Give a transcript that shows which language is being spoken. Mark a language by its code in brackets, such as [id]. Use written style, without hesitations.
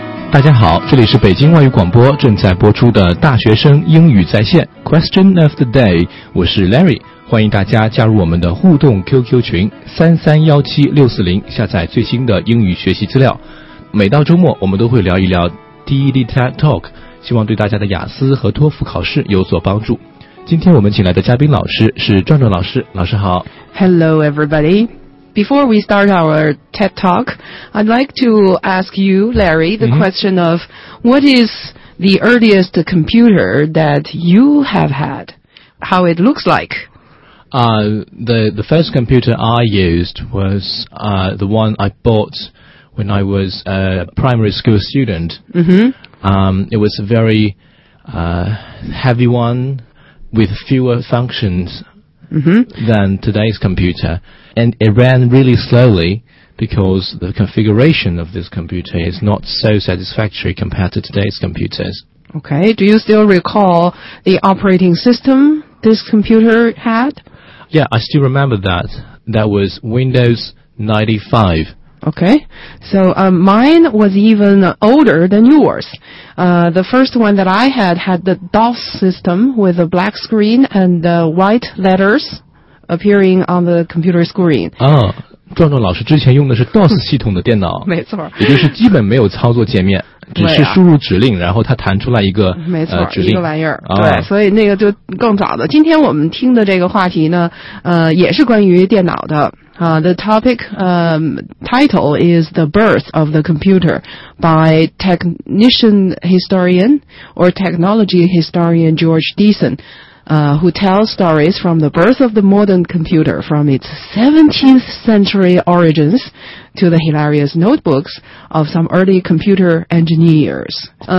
[zh] 大家好，这里是北京外语广播正在播出的大学生英语在线 Question of the day， 我是 Larry， 欢迎大家加入我们的互动 QQ 群33176400，下载最新的英语学习资料。每到周末我们都会聊一聊 TED Talk， 希望对大家的雅思和托福考试有所帮助。今天我们请来的嘉宾老师是壮壮老师，老师好。 [en] Hello everybody。 Before we start our TED Talk, I'd like to ask you, Larry, the question of what is the earliest computer that you have had? How it looks like? The first computer I used was the one I bought when I was a primary school student. It was a very heavy one with fewer functions than today's computer. And it ran really slowly because the configuration of this computer is not so satisfactory compared to today's computers. Okay, do you still recall the operating system this computer had? Yeah, I still remember that. That was Windows 95. Okay, so mine was even older than yours. The first one that I had the DOS system with a black screen and white letters. Appearing on the computer screen. [zh] 啊，壮壮老师之前用的是 DOS 系统的电脑。没错。也就是基本没有操作界面，只是输入指令，然后它弹出来一个指令。一个玩意儿。对，所以那个就更早的。今天我们听的这个话题呢，也是关于电脑的。 [en] The topic, title is The Birth of the Computer by technician historian or technology historian George Deason. Who tells stories from the birth of the modern computer, from its 17th century origins to the hilarious notebooks of some early computer engineers.